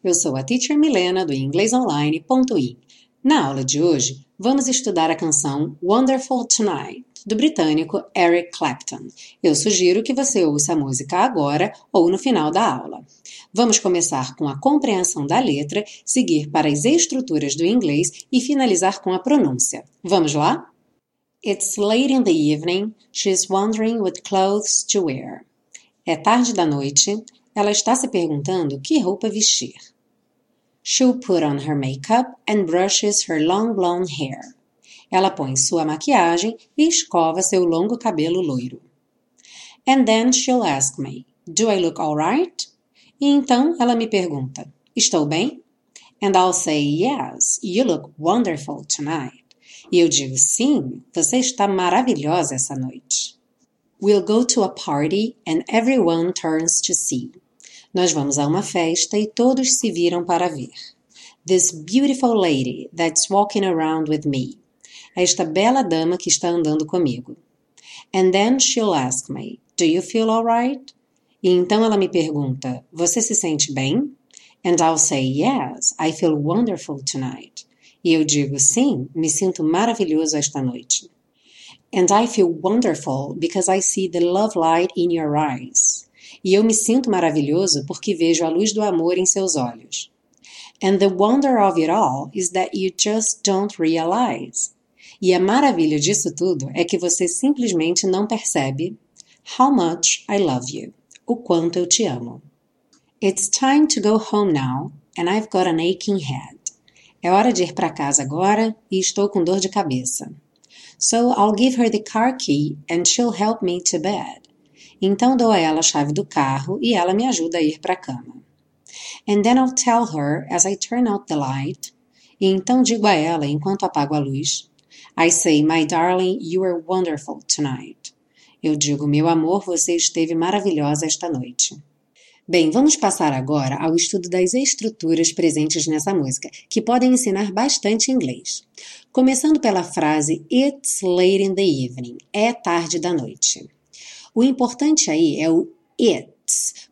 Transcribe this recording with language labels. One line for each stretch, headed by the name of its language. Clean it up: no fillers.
Portuguese: Eu sou a Teacher Milena do inglesonline.in. Na aula de hoje, vamos estudar a canção Wonderful Tonight, do britânico Eric Clapton. Eu sugiro que você ouça a música agora ou no final da aula. Vamos começar com a compreensão da letra, seguir para as estruturas do inglês e finalizar com a pronúncia. Vamos lá?
English: It's late in the evening, she's wondering what clothes to wear.
Portuguese: É tarde da noite, ela está se perguntando que roupa vestir.
English: She'll put on her makeup and brushes her long blonde hair.
Portuguese: Ela põe sua maquiagem e escova seu longo cabelo loiro.
English: And then she'll ask me, do I look all right?
Portuguese: E então ela me pergunta, estou bem?
English: And I'll say, yes, you look wonderful tonight.
Portuguese: E eu digo, sim, você está maravilhosa essa noite.
English: We'll go to a party and everyone turns to see.
Portuguese: Nós vamos a uma festa e todos se viram para ver.
English: This beautiful lady that's walking around with me.
Portuguese: Esta bela dama que está andando comigo.
English: And then she'll ask me, do you feel all right?
Portuguese: E então ela me pergunta, você se sente bem?
English: And I'll say, yes, I feel wonderful tonight.
Portuguese: E eu digo, sim, me sinto maravilhoso esta noite.
English: And I feel wonderful because I see the love light in your eyes.
Portuguese: E eu me sinto maravilhoso porque vejo a luz do amor em seus olhos.
English: And the wonder of it all is that you just don't realize.
Portuguese: E a maravilha disso tudo é que você simplesmente não percebe
English: how much I love you,
Portuguese: o quanto eu te amo.
English: It's time to go home now, and I've got an aching head.
Portuguese: É hora de ir para casa agora e estou com dor de cabeça.
English: So I'll give her the car key and she'll help me to bed.
Portuguese: Então dou a ela a chave do carro e ela me ajuda a ir para a cama.
English: And then I'll tell her as I turn out the light.
Portuguese: E então digo a ela enquanto apago a luz.
English: I say, my darling, you are wonderful tonight.
Portuguese: Eu digo, meu amor, você esteve maravilhosa esta noite. Bem, vamos passar agora ao estudo das estruturas presentes nessa música, que podem ensinar bastante inglês. Começando pela frase, it's late in the evening. É tarde da noite. O importante aí é o it's.